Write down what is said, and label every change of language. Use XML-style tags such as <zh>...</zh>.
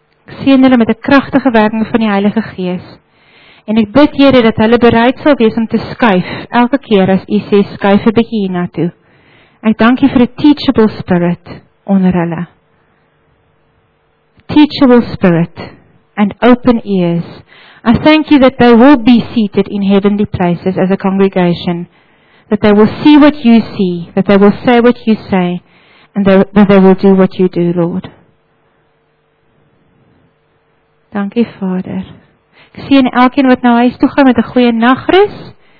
<af>Ek seën hulle met 'n kragtige werking van die Heilige Gees. En ek bid, Here, dat hulle bereid sal wees om te skuif, elke keer as u sê, skuif 'n bietjie hiernatoe. Ek dank u vir 'n</af> <en>teachable spirit</en> <af>onder hulle.</af> <en>Teachable spirit and open ears. I thank you that they will be seated in heavenly places as a congregation, that they will see what you see, that they will say what you say, and that they will do what you do, Lord.</en> <af>Dankie Vader. Ek seën elkeen wat nou huis toe gaan met 'n goeie nagrus.</af>